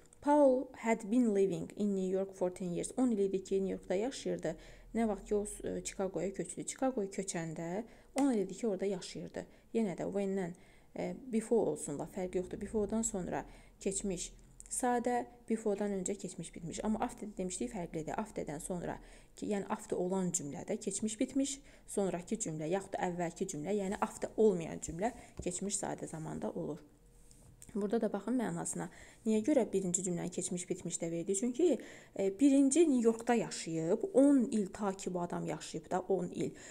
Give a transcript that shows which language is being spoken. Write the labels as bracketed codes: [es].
[en] Paul had been living in New York for 10 years. [az] 10 il idi ki, New Yorkda yaşayırdı. Nə vaxt ki, o Chicago'ya köçdü. Chicago'ya köçəndə 10 il idi ki, orada yaşayırdı. Yenə də when-dən before olsunla fərqi yoxdur. Before-dan sonra keçmiş sadə, before-dan öncə keçmiş bitmiş. Amma after demişdik, fərqlidir. After-dən sonra, yəni after olan cümlədə keçmiş bitmiş, sonrakı cümlə, yaxud da əvvəlki cümlə, yəni after olmayan cümlə keçmiş sadə zamanda olur. Burada da baxın mənasına. Niyə görə birinci cümləni keçmiş bitmiş də verdi? Çünki birinci New Yorkda yaşayıb, 10 il ta ki bu adam yaşayıb da, 10 il.